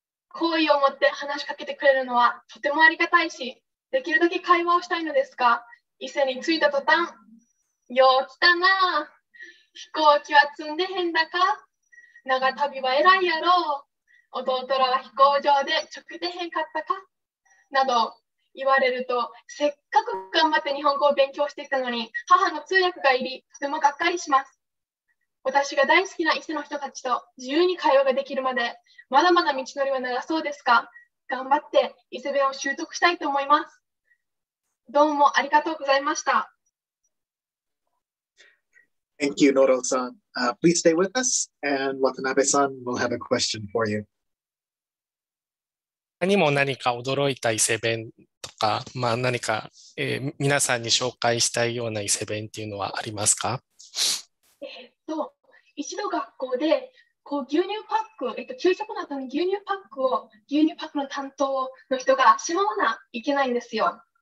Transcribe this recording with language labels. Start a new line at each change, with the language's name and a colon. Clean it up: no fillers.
Japanese: 好意を持って話しかけてくれるのはとてもありがたいし、できるだけ会話をしたいのですが、伊勢に着いた途端、よう来たな、飛行機は積んでへんだか、長旅は偉いやろう、弟らは飛行場で直でへんかったか、など言われると、せっかく頑張って日本語を勉強してきたのに母の通訳がいり、とてもがっかりします。私が大好きな伊勢の人たちと自由に会話ができるまで、まだまだ道のりは長そうですが、頑張って伊勢弁を習得したいと思います。どうもありがとうございました。
English: Thank you, Noro-san. Please stay with us, and Watanabe-san will have a question for you.
Japanese: 他にも何か驚いた伊勢弁とか、まあ、何か、皆さんに紹介したいような伊勢弁っていうのはありますか？一度学校でこう牛乳パック、給食の後に牛乳パックを、牛乳パックの担当の人がしまわなきゃいけないんですよ。